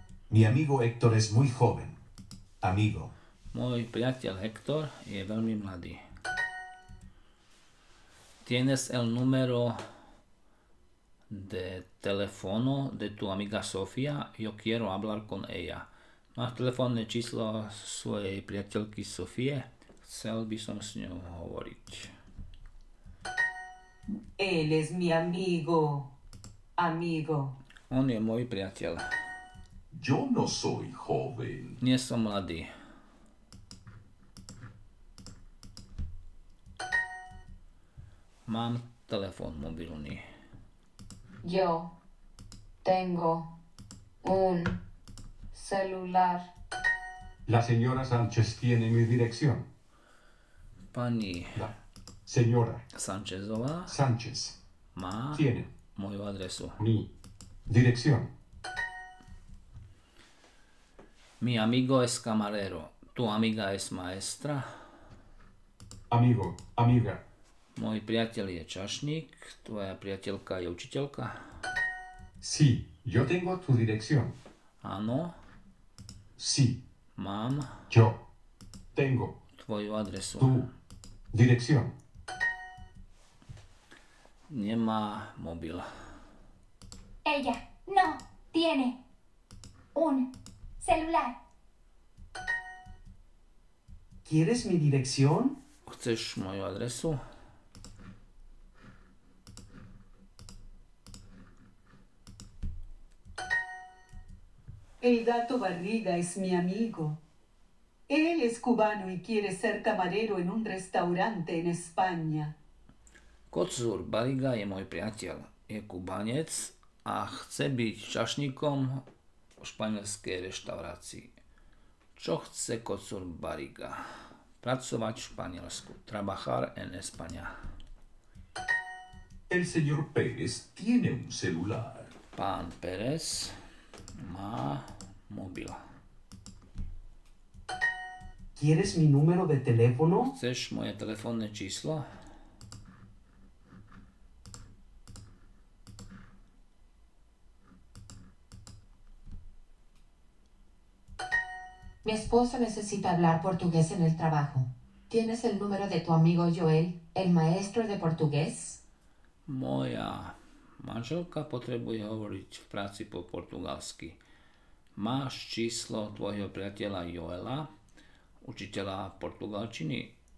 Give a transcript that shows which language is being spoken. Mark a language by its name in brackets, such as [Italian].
[Spanish] Mi amigo Héctor es muy joven. Amigo. [Slovak] Môj priateľ Hector je veľmi mladý. [Spanish] Tienes el número de teléfono de tu amiga Sofía, yo quiero hablar con ella. [Slovak] Máš telefónne číslo svojej priateľky Sofie? Chcel by som s ňou hovoriť. [Spanish] Él es mi amigo. Amigo. [Slovak] On je môj priateľ. [Spanish] Yo no soy joven. [Slovak] Nie som mladý. Mám telefón mobilný. [Spanish] Yo tengo un celular. La señora Sánchez tiene mi dirección. [Slovak] Pani. [Spanish] La señora. [Slovak] Sánchezová. [Spanish] Sánchez. [Slovak] Má. [Spanish] Tiene. [Slovak] Moju adresu. [Spanish] Mi dirección. Mi amigo es camarero. Tu amiga es maestra. Amigo, amiga. [Slovak] Môj priateľ je čašník, tvoja priateľka je učiteľka. [Spanish] Sí, yo tengo tu dirección. [Slovak] Áno. [Spanish] Sí. [Slovak] Mám. [Spanish] Yo tengo. [Slovak] Tvoju adresu. [Spanish] Tu dirección. [Slovak] Nemá mobil. [Spanish] Ella no tiene un celular. ¿Quieres mi dirección? [Slovak] Chceš moju adresu? [Spanish] El gato Barriga es mi amigo. Él es cubano y quiere ser camarero en un restaurante en España. [Slovak] Kocúr Barriga je môj priateľ. Je kubanec a chce byť čašníkom v španielskej reštaurácii. Čo chce kocúr Barriga? Pracovať v Španielsku. [Spanish] Trabajar en España. El señor Pérez tiene un celular. [Slovak] Pán Pérez má mobil. [Spanish] ¿Quieres mi número de teléfono? [Slovak] Chceš moje telefónne číslo? [Spanish] Mi esposo necesita hablar portugués en el trabajo. ¿Tienes el número de tu amigo Joel, el maestro de portugués? [Slovak] Moja manželka potrebuje hovoriť v práci po portugalsky. Máš číslo tvojho priateľa Joela, učiteľa portugalčiny?